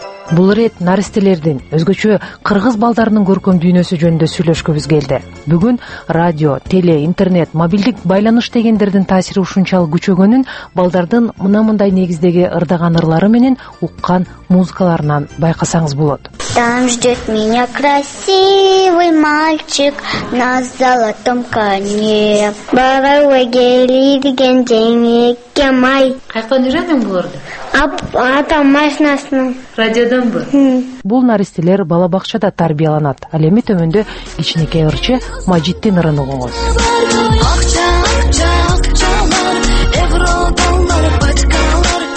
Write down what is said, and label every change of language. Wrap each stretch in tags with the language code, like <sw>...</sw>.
<ky>Бул ирет наристелердин, өзгөчө кыргыз балдарынын көркөм дүйнөсү жөнүндө сүйлөшкөбүз келди. Бүгүн радио, теле, интернет, мобилдик байланыш дегендердин таасири ушунчалык күчөгөнүн балдардын мына мындай негиздеги ырдаган ырлары менен уккан музыкаларынан байкасаңыз болот.</ky> <ru>Там ждет меня красивый мальчик на золотом коне. Барауга келиген жеңекке май.</ru> <ky>Кайдан үйрөндүң буларды? Атам машинасынан. Радиодонбу? Бул наристелер бала бакчада тарбияланат. Ал эми төмөндө кичинекей ырчы Мажиттин ырын угуңуз. Ак чак чак чалар, евро доллар, пачкалар,</ky>